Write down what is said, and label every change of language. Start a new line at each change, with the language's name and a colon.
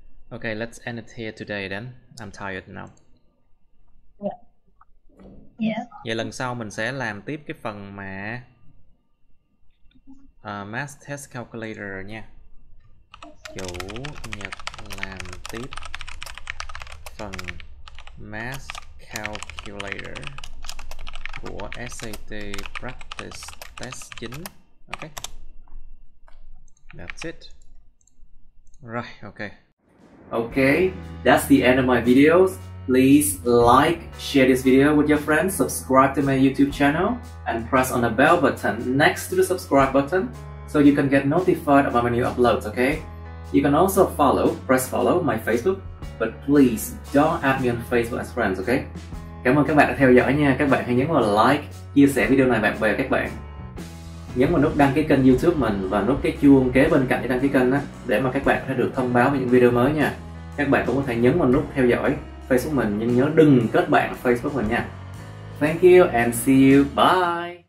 English: Ok, let's end it here today then. I'm tired
Vietnamese: Vậy lần sau mình sẽ làm tiếp cái phần mà mass test calculator nha. Chủ nhật làm tiếp phần mass calculator của SAT practice test chính.
English: Ok. That's it. Right, ok. Ok, that's the end of my videos. Please like, share this video with your friends, subscribe to my YouTube channel and press on the bell button next to the subscribe button so you can get notified about my new uploads, okay? You can also press follow my Facebook, but please don't add me on Facebook as friends, okay?
Vietnamese: Cảm ơn các bạn đã theo dõi nha. Các bạn hãy nhấn vào like, chia sẻ video này bạn bè các bạn. Nhấn vào nút đăng ký kênh YouTube mình và nút cái chuông kế bên cạnh để đăng ký kênh á, để mà các bạn sẽ được thông báo về những video mới nha. Các bạn cũng có thể nhấn vào nút theo dõi Facebook mình, nhưng nhớ đừng kết bạn Facebook mình nha.
English: Thank you and see you. Bye.